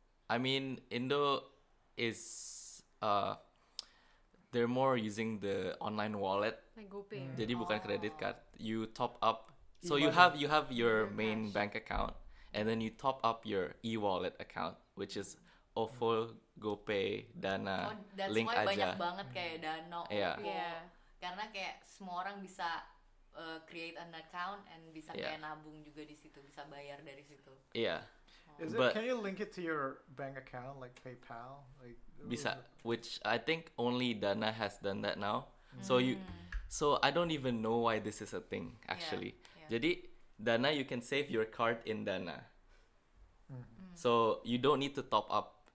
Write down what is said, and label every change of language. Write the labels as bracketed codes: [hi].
[en] I mean, Indo is they're more using the online wallet. Like GoPay. [id] Jadi bukan credit card. [en] You top up. So you have your main bank account and then you top up your e-wallet account, which is OVO, GoPay, Dana, Link aja. That's why [id] banyak banget kayak Dana, OVO. [en] Yeah. [id] Karena kayak semua orang bisa [en] create an account [id] and bisa kayak nabung juga di situ, bisa bayar dari situ. [en] Yeah. Can you link it to your bank account, like PayPal? [id] Bisa, [en] which I think only Dana has done that now. So I don't even know why this is a thing, actually. Yeah, yeah. [id] Jadi, [en] Dana, you can save your card in Dana. So, you don't need to top up.